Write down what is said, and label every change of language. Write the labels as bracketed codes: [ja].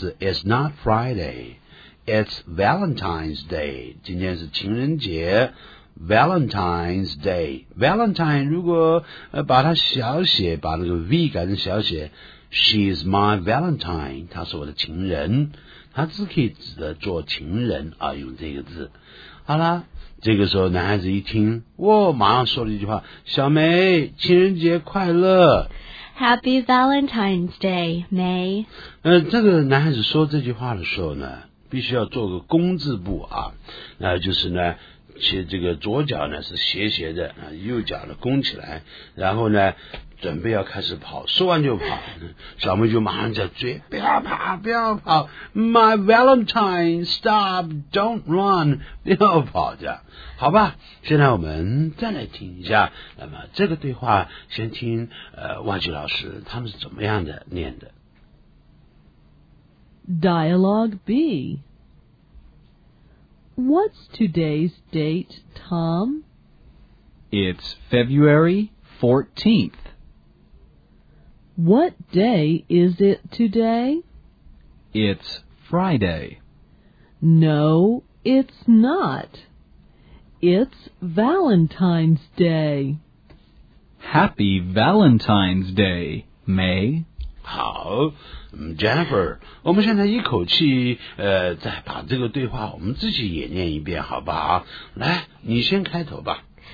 [en] It's not Friday.It's Valentine's Day, [zh] 今天是情人节。 [en] Valentine's Day. [zh] Valentine, 如果、把它小写，把那个 V 改成小写， [en] She's my Valentine, [zh] 她是我的情人。她只可以指的做情人啊，用这个字。好啦，这个时候男孩子一听，哇，马上说了一句话，小梅，情人节快乐。 [en] Happy Valentine's Day, May. [zh] 这个男孩子说这句话的时候呢，必须要做个工字部啊，那就是呢，其实这个左脚呢是斜斜的，右脚呢弓起来，然后呢准备要开始跑，说完就跑，小妹就马上在追，不要跑，不要跑 ， [en] My Valentine, stop, don't run, [zh] 不要跑着，好吧。现在我们再来听一下，那么这个对话先听万吉老师他们是怎么样的念的。 [en] Dialogue B. What's today's date, Tom? It's February 14th. What day is it today? It's Friday. No, it's not. It's Valentine's Day. Happy Valentine's Day, May. [zh] 好、Jennifer, 我们现在一口气再把这个对话我们自己也念一遍好不好，来你先开头吧。